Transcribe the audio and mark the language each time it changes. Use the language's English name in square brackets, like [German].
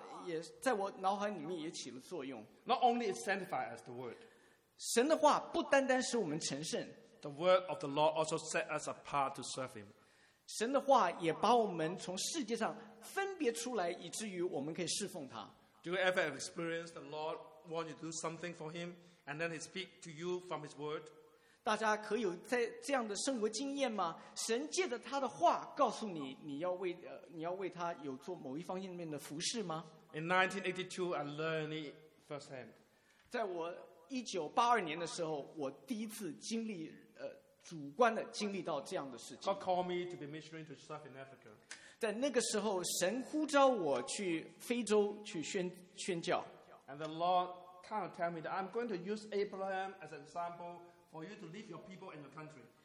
[Chinese] 我也许在那个时候，我依然不知道怎么回应，但是他的话也在我脑海里面也起了作用。 [English] Not only is sanctified as the word. [Chinese] 神的话不单单使我们成圣。 [English] The word of the Lord also set us apart to serve Him. [Chinese] 神的话也把我们从世界上分别出来，以至于我们可以侍奉他。 [English] Do you ever have experienced the Lord want you to do something for Him, and then He speak to you from His Word? [Chinese] 大家可有在这样的生活经验吗？神借着他的话告诉你，你要为他有做某一方面的服事吗？ [English] In 1982, I learned it firsthand. [Chinese] 在我1982年的时候，我第一次经历，主观的经历到这样的事情。 [English] God called me to be missionary to serve in Africa. [Chinese] 在那个时候，神呼召我去非洲去宣教。 [English] And the Lord kind of tell me that I'm going to use Abraham as an example for you to lead your people in the country.